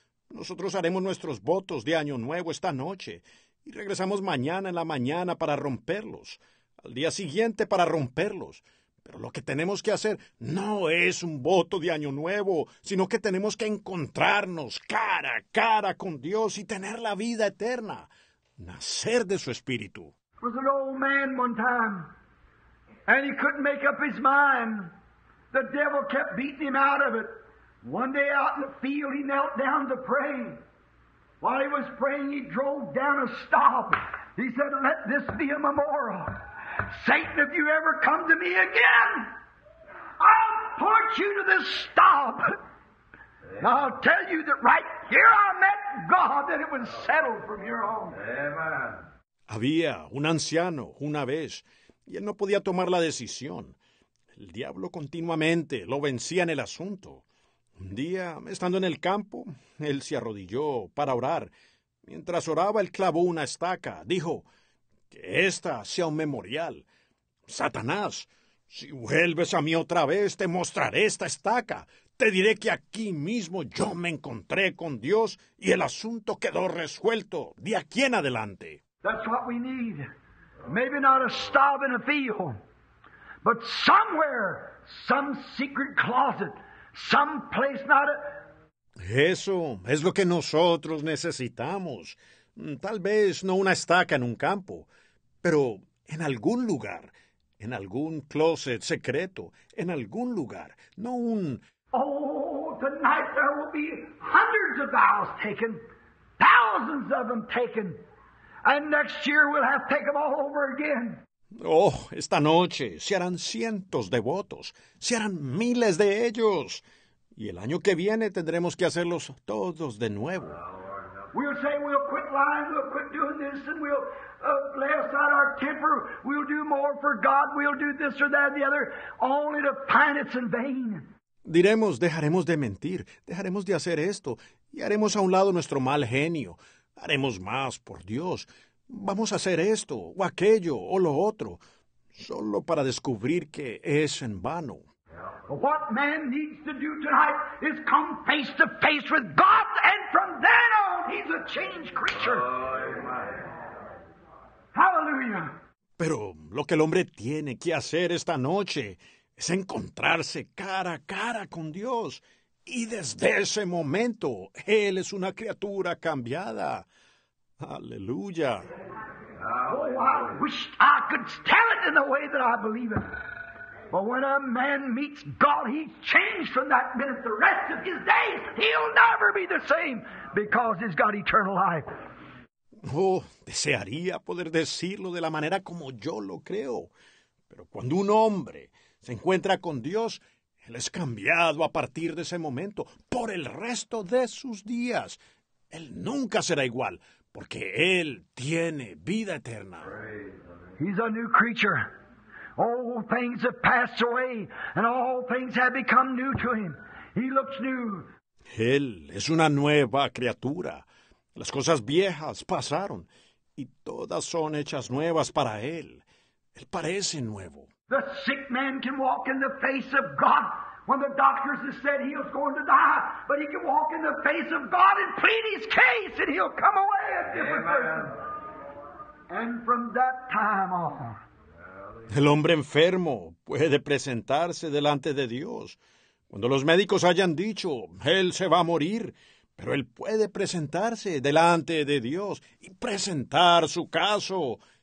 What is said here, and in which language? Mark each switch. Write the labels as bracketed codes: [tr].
[es] Nosotros haremos nuestros votos de Año Nuevo esta noche y regresamos mañana en la mañana para romperlos, al día siguiente para romperlos. Pero lo que tenemos que hacer no es un voto de Año Nuevo, sino que tenemos que encontrarnos cara a cara con Dios y tener la vida eterna, nacer de su Espíritu. [en] Was an old man one time, and he couldn't make up his mind. The devil kept beating him out of it. One day out in the field, he knelt down to pray. While he was praying, he drove down a stump. He said, "Let this be a memorial. Satan, if you ever come to me again, I'll put you to this stump. And I'll tell you that right here I met God, that it was settled from here on." Amen. [es] Había un anciano una vez, y él no podía tomar la decisión. El diablo continuamente lo vencía en el asunto. Un día, estando en el campo, él se arrodilló para orar. Mientras oraba, él clavó una estaca. Dijo, "Que esta sea un memorial. Satanás, si vuelves a mí otra vez, te mostraré esta estaca. Te diré que aquí mismo yo me encontré con Dios y el asunto quedó resuelto de aquí en adelante." [en] That's what we need. Maybe not a stove in a field, but somewhere, some secret closet, some place not a... [es] Eso es lo que nosotros necesitamos. Tal vez no una estaca en un campo, pero en algún lugar, en algún closet secreto, en algún lugar, no un... [en] Oh, tonight there will be hundreds of vows taken, thousands of them taken. And next year we'll have to take them all over again. [es] Oh, esta noche se harán cientos de votos. Se harán miles de ellos. Y el año que viene tendremos que hacerlos todos de nuevo. [en] We'll say we'll quit lying, we'll quit doing this, and we'll lay aside our temper. We'll do more for God, we'll do this or that or the other, only to find it's in vain. [es] Diremos, dejaremos de mentir, dejaremos de hacer esto, y haremos a un lado nuestro mal genio. Haremos más por Dios. Vamos a hacer esto, o aquello, o lo otro, solo para descubrir que es en vano. [en] What man needs to do tonight is come face to face with God, and from then on he's a changed creature. Hallelujah. [es] Pero lo que el hombre tiene que hacer esta noche es encontrarse cara a cara con Dios. Y desde ese momento, él es una criatura cambiada. ¡Aleluya! [en] Oh, I wish I could tell it in the way that I believe it. But when a man meets God, he's changed from that minute. The rest of his days, he'll never be the same because he's got eternal life. [es] Oh, desearía poder decirlo de la manera como yo lo creo. Pero cuando un hombre se encuentra con Dios, él es cambiado a partir de ese momento, por el resto de sus días. Él nunca será igual, porque él tiene vida eterna. [en] He's a new creature. All things have passed away, and all things have become new to him. He looks new. [es] Él es una nueva criatura. Las cosas viejas pasaron, y todas son hechas nuevas para él. Él parece nuevo. [en] The sick man can walk in the face of God when the doctors have said he was going to die. But he can walk in the face of God and plead his case and he'll come away a different person. And from that time on. [es] El hombre enfermo puede presentarse delante de Dios. Cuando los médicos hayan dicho, él se va a morir. Pero él puede presentarse delante de Dios y presentar su caso.